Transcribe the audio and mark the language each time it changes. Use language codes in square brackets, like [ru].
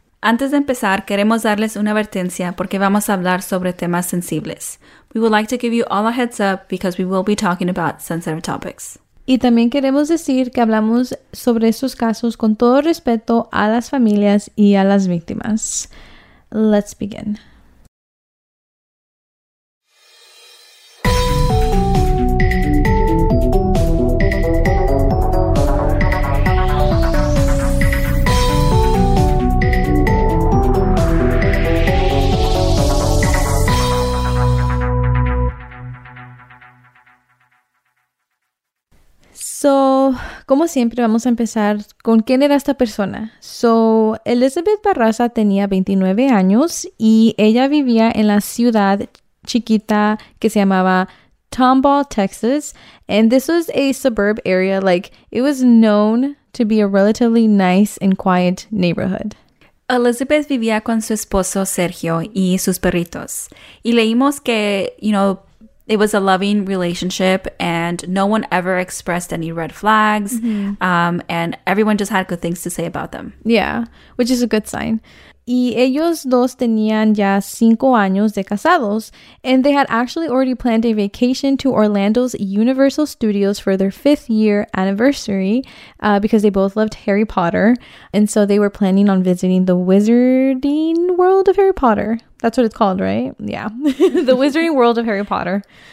[es] Antes de empezar, queremos darles una advertencia porque vamos a hablar sobre temas sensibles. [en] We would like to give you all a heads up because we will be talking about sensitive topics. [es] Y también queremos decir que hablamos sobre estos casos con todo respeto a las familias y a las víctimas. [en] Let's begin. [es] So, como siempre, vamos a empezar con quién era esta persona. So, Elizabeth Barraza tenía 29 años y ella vivía en la ciudad chiquita que se llamaba Tomball, Texas. [en] And this was a suburb area, like, it was known to be a relatively nice and quiet neighborhood. [es] Elizabeth vivía con su esposo Sergio y sus perritos. Y leímos que, [en] you know, it was a loving relationship and no one ever expressed any red flags. Mm-hmm. And everyone just had good things to say about them. Yeah, which is a good sign. [es] Y ellos dos tenían ya 5 años de casados. [en] And they had actually already planned a vacation to Orlando's Universal Studios for their 5th year anniversary because they both loved Harry Potter. And so they were planning on visiting the Wizarding World of Harry Potter. That's what it's called, right? Yeah. The Wizarding World of Harry Potter.